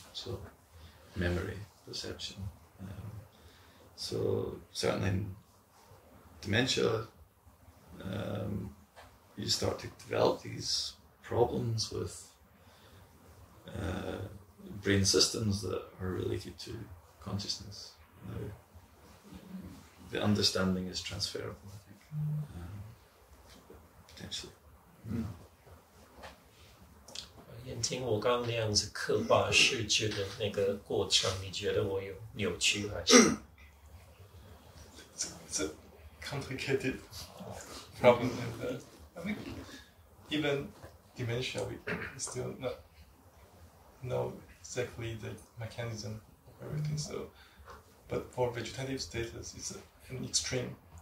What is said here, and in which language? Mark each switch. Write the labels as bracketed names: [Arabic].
[English] So memory, perception. So certainly in dementia, you start to develop these problems with brain systems that are related to consciousness. Now, the understanding is transferable, I think, potentially. Mm. [Chinese] 眼睛, 我刚那样子刻画视觉的那个过程, 你觉得我有扭曲还是? [English] It's a complicated problem. And, I think even dementia, we still not know exactly the mechanism of everything. So, but for vegetative status, it's an extreme.